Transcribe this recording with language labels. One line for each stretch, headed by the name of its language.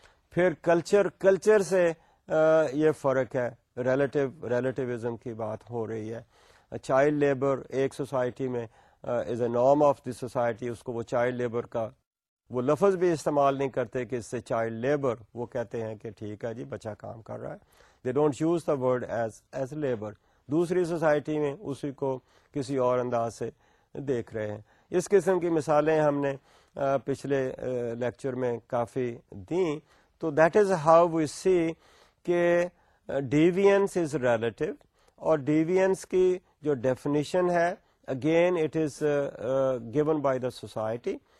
Urdu: پھر کلچر سے یہ فرق ہے. ریلیٹیوزم کی بات ہو رہی ہے. چائلڈ لیبر ایک سوسائٹی میں
English: is a norm of the society,
Urdu: اس کو وہ چائلڈ لیبر کا وہ لفظ بھی استعمال نہیں کرتے کہ اس سے چائلڈ لیبر, وہ کہتے ہیں کہ ٹھیک ہے جی بچہ کام کر رہا ہے.
English: They don't use the word as labour.
Urdu: دوسری سوسائٹی میں اسی کو کسی اور انداز سے دیکھ رہے ہیں. اس قسم کی مثالیں ہم نے پچھلے لیکچر میں کافی دیں.
English: تو that is how we see کہ deviance is relative,
Urdu: اور ڈیوینس کی جو ڈیفینیشن ہے
English: Again it is given by the society.